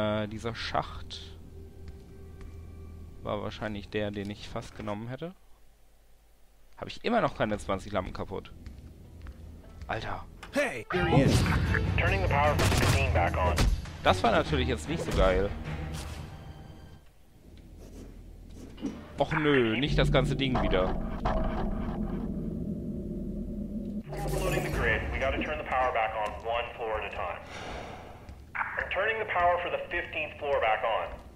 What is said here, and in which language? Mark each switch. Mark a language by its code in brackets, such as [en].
[de] Dieser Schacht war wahrscheinlich der, den ich fast genommen hätte. Habe ich immer noch keine 20 Lampen kaputt. Alter. [en] Hey, here he is. Turning the power from the machine back on. [de] Das war natürlich jetzt nicht so geil. Och nö, nicht das ganze Ding wieder. [en] Loading the grid. We gotta turn the power back on one floor at a time. I'm turning the power for the 15th floor back on.